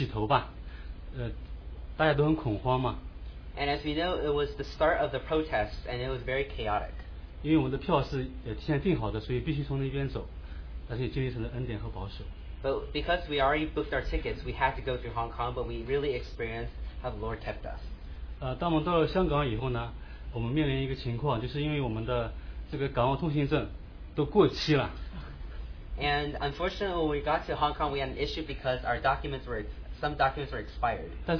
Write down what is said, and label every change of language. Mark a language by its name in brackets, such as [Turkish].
[Chinese] 因为那个时候呢，香港它就是动乱刚刚的，就是起头吧，大家都很恐慌嘛。 [English] And as we know, it was the start of the protests, and it was very chaotic. [Chinese] 因为我们的票是提前订好的，所以必须从那边走，而且经历神的恩典和保守。 [English] But because we already booked our tickets, we had to go through Hong Kong, but we really experienced how the Lord kept us. [Chinese] 当我们到了香港以后呢？我们面临一个情况，就是因为我们的这个港澳通行证都过期了。 [English] And unfortunately, when we got to Hong Kong, we had an issue because some documents were expired.